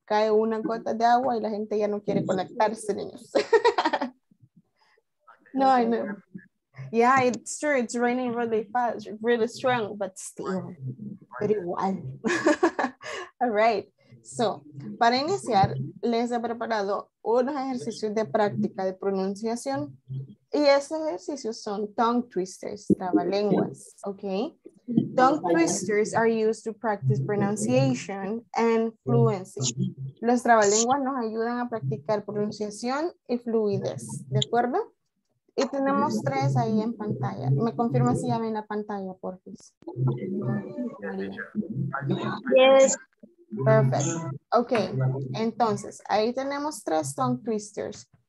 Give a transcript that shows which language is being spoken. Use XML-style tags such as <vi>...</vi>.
<es>Cae una gota de agua y la gente ya no quiere conectarse, niños.</es> <en>No, I know. Yeah, it's true. It's raining really fast, really strong, but still pretty wild. All right.</en> <es>So, para iniciar, les he preparado unos ejercicios de práctica de pronunciación. Y esos ejercicios son tongue twisters, trabalenguas, okay?</es> <en>Tongue twisters are used to practice pronunciation and fluency.</en> <es>Los trabalenguas nos ayudan a practicar pronunciación y fluidez, ¿de acuerdo? Y tenemos tres ahí en pantalla. ¿Me confirma si ya ven la pantalla, por favor?</es> <en>Yes.</en> <es>Perfect. Ok. Entonces, ahí tenemos tres tongue twisters.</es>